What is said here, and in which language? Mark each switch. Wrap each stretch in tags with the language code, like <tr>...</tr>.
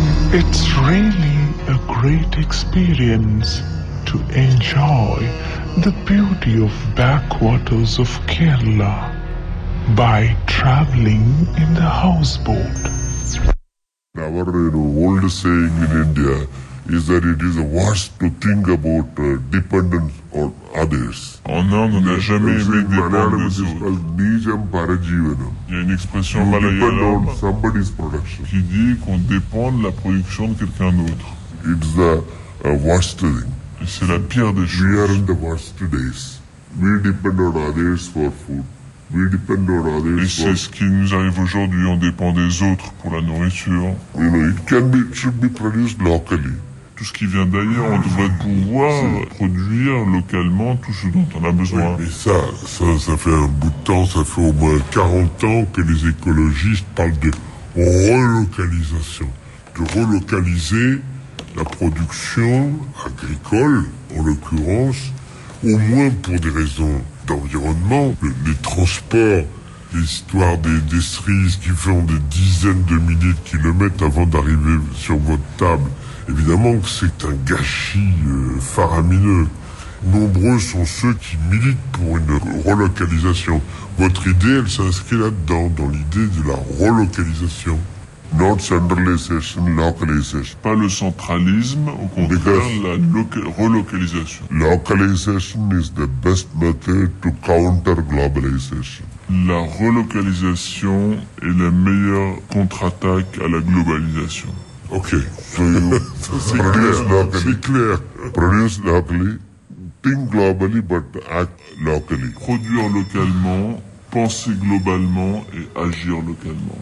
<en>It's really a great experience to enjoy the beauty of backwaters of Kerala by traveling in the houseboat. Our, you know, old saying in India is that it is worse to think about dependence on others.</en> <fr>Oh non, on n'a jamais aimé dépendre des autres.</fr> <ml>Nijam Parajivanam.</ml> <fr>Il y a une expression malayalam qui dit qu'on dépend de la production de quelqu'un d'autre.</fr> <en>It's the worst thing.</en> <fr>Et c'est la pire des choses.</fr> <en>We are in the worst days. We depend on others for food. We depend on others.</en> <fr>Et c'est ce qui nous arrive aujourd'hui, on dépend des autres pour la nourriture.</fr> <en>You know, it can be, it should be produced locally.</en> <fr>Tout ce qui vient d'ailleurs, on devrait pouvoir produire localement tout ce dont on a besoin. Oui, mais ça fait un bout de temps, ça fait au moins 40 ans que les écologistes parlent de relocalisation, de relocaliser la production agricole, en l'occurrence, au moins pour des raisons d'environnement, les transports, les histoires des cerises qui font des dizaines de milliers de kilomètres avant d'arriver sur votre table. Évidemment que c'est un gâchis faramineux. Nombreux sont ceux qui militent pour une relocalisation. Votre idée, elle s'inscrit là-dedans, dans l'idée de la relocalisation.</fr> <en>Not centralization, localization.</en> <fr>Pas le centralisme, au contraire,</fr> <en>because</en> <fr>la relocalisation.</fr> <en>Localization is the best method to counter globalization.</en> <fr>La relocalisation est la meilleure contre-attaque à la globalisation.</fr> <en>Ok, so you</en> <fr>c'est clair.</fr> <en>Produce locally, think globally, but act locally.</en> <fr>Produire localement, penser globalement et agir localement.</fr>